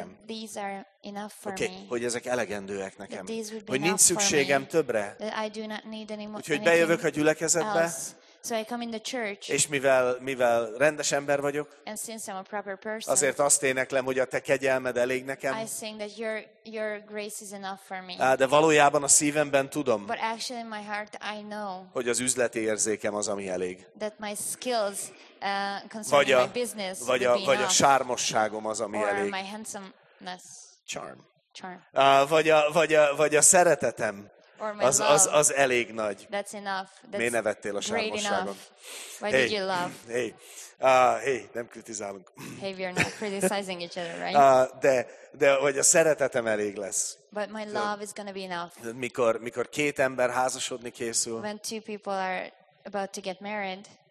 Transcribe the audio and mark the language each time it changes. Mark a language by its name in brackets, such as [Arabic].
[English] That these are enough for me. [Hungarian] Hogy ezek elegendőek nekem. [English] That these would be [Hungarian] hogy nincs szükségem többre. [English] I do not need any more. [Hungarian] Úgyhogy bejövök a gyülekezetbe. [English] So I come in the church. [Hungarian] És mivel rendes ember vagyok, [English] and since I'm a proper person, [Hungarian] azért azt éneklem, hogy a te kegyelmed elég nekem. [English] I sing that your grace is enough for me. [Hungarian] De valójában a szívemben tudom, [English] but actually in my heart I know, [Hungarian] hogy az üzleti érzékem az, ami elég. [English] That my skills concerning my business would be enough. [Hungarian] Vagy a sármosságom az, ami [English] or [Hungarian] elég. [English] My handsomeness. Charm. Charm. [Hungarian] Vagy a szeretetem. [English] Or my [Hungarian] az elég nagy. [English] That's enough. That's [Hungarian] miért nevettél a sármosságon? [English] Why did you laugh? [Hungarian] Hey, nem kritizálunk. [English] Hey, we are not criticizing each other, right? [Hungarian] De hogy a szeretetem elég lesz. [English] But my love is gonna be enough. [Hungarian] Mikor két ember házasodni készül. [English] When two people are about to get married.